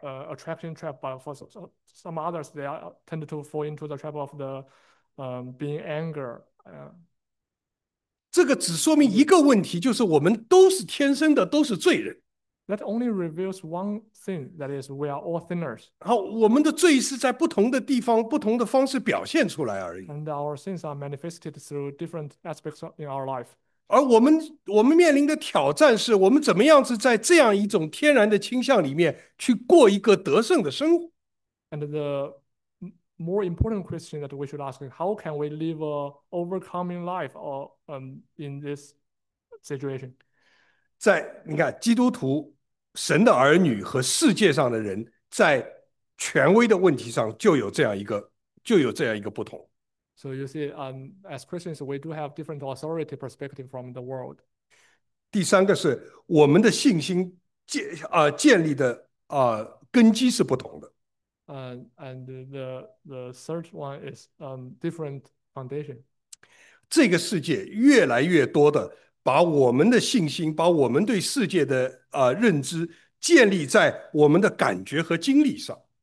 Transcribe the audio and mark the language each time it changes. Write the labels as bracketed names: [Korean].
[English] Attraction trap, but for some others, they are tend to fall into the trap of the being anger. [Chinese] 这个只说明一个问题，就是我们都是天生的，都是罪人。 [English] That only reveals one thing, that is, we are all sinners. [Chinese] 然后我们的罪是在不同的地方、不同的方式表现出来而已。 [English] And our sins are manifested through different aspects in our life. [Chinese] 而我们面临的挑战是，我们怎么样子在这样一种天然的倾向里面去过一个得胜的生活。 [English] And the more important question that we should ask is how can we live a overcoming life or in this situation? [Chinese] 在你看，基督徒、神的儿女和世界上的人，在权威的问题上就有这样一个不同。 [English] So you see, as Christians, we do have different authority perspective from the world. [Chinese] 第三个是我们的信心建立的根基是不同的。 [English] And the third one is different foundation. [Chinese] 这个世界越来越多的。把我们的信心，把我们对世界的认知，建立在我们的感觉和经历上。